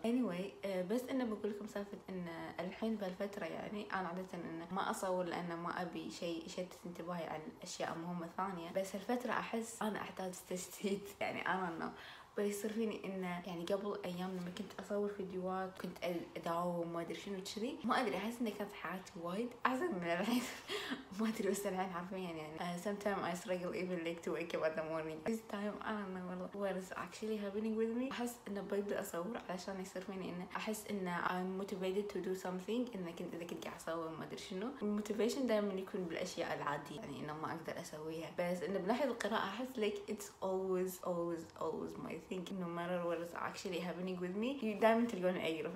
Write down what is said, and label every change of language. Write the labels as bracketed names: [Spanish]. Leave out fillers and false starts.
[Arabic] anyway بس انه بقول لكم سالفه انه الحين بهالفتره يعني انا عاده انه ما اصور لانه ما ابي شيء يشتت انتباهي عن اشياء مهمه ثانيه، بس هالفتره احس انا احتاج تشتيت يعني. انا بيصير فيني انه يعني قبل ايام لما كنت اصور فيديوهات كنت اداوم ما ادري شنو كذي، ما ادري احس اني كانت حياتي وايد احسن من الحين. ما ادري بس الحين حرفيا يعني [English] sometimes I struggle even like to wake up in the morning this time. [Arabic] انا والله [English] what is actually happening with me. [Arabic] احس انه ببدا اصور علشان يصير فيني انه احس انه [English] I'm motivated to do something. [Arabic] اذا كنت قاعد اصور ما ادري شنو الموتيفيشن دائما يكون بالاشياء العادية يعني انه ما اقدر اسويها، بس انه من ناحية القراءة احس [English] like it's always my think no matter what is actually happening with me you [Arabic] دايما تلقون اقرف.